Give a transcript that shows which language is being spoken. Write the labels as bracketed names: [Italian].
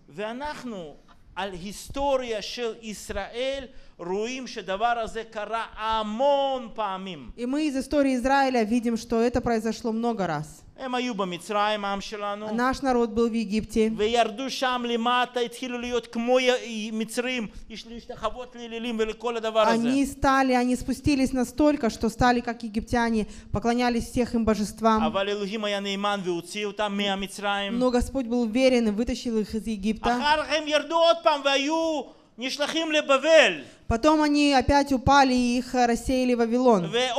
[Hebrew] ואנחנו על היסטוריה של ישראל רואים שדבר הזה קרה המון פעמים. [Russian] И мы из истории Израиля видим, что это произошло много раз. [Hebrew] הם היו במצרים, העם שלנו. [Russian] Наш народ был в Египте. [Hebrew] וירדו שם למטה, התחילו להיות כמו מצרים, יש להשתחוות לאלילים ולכל הדבר הזה. [Russian] Они стали, они спустились настолько, что стали как египтяне, поклонялись всех им божествам. [Hebrew] אבל אלוהים היה נאמן והוציא אותם מהמצרים. [Russian] Но Господь был верен и вытащил их из Египта. [Hebrew] אחר כך הם ירדו עוד פעם והיו נשלחים לבבל. [Russian] Потом они опять упали и их рассеяли в Вавилон.